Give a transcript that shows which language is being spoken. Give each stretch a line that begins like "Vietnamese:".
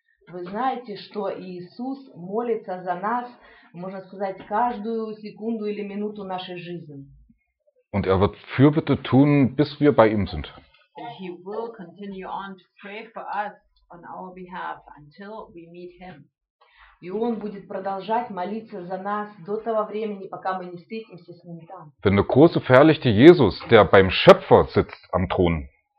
Russian: Вы знаете, что Иисус молится за нас, можно сказать, каждую секунду или минуту нашей жизни.
German: Und er wird Fürbitte tun, bis wir bei ihm sind.
English: And he will continue on to pray for us on our behalf until we meet him.
Russian: И он будет продолжать молиться за нас до того времени, пока мы не встретимся с ним там.
German: Wenn der große verherrlichte Jesus, der beim Schöpfer sitzt am Thron.